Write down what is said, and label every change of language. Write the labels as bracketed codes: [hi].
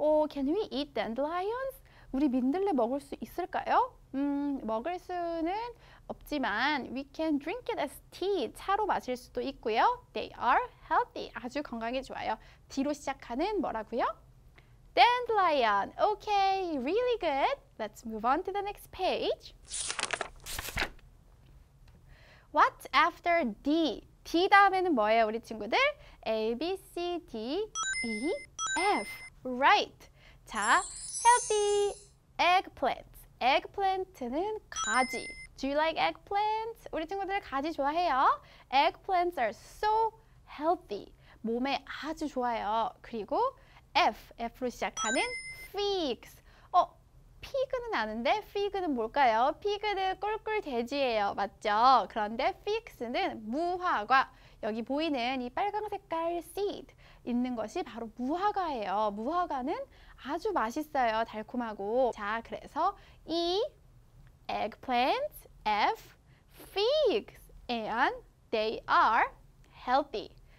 [en] Can we eat dandelions? [ko] 우리 민들레 먹을 수 있을까요? 먹을 수는 없지만 [en] we can drink it as tea, [ko] 차로 마실 수도 있고요. [en] They are healthy, [ko] 아주 건강에 좋아요. D로 시작하는 뭐라고요? [en] Dandelion. Okay, really good. Let's move on to the next page. What's after D? [ko] D 다음에는 뭐예요, 우리 친구들? [en] A, B, C, D, E, F. Right. [ko] 자, [en] healthy eggplant. [ko] Eggplant는 가지. [en] Do you like eggplants? [ko] 우리 친구들 가지 좋아해요. [en] Eggplants are so healthy. [ko] 몸에 아주 좋아요. 그리고 F, F로 시작하는 figs. 어, pig는 아는데 fig는 뭘까요? Pig는 꿀꿀돼지예요. 맞죠? 그런데 figs는 무화과. 여기 보이는 이 빨간 색깔 seed 있는 것이 바로 무화과예요. 무화과는 아주 맛있어요. 달콤하고. 자, 그래서 [en] E, eggplants, F, figs, and they are healthy.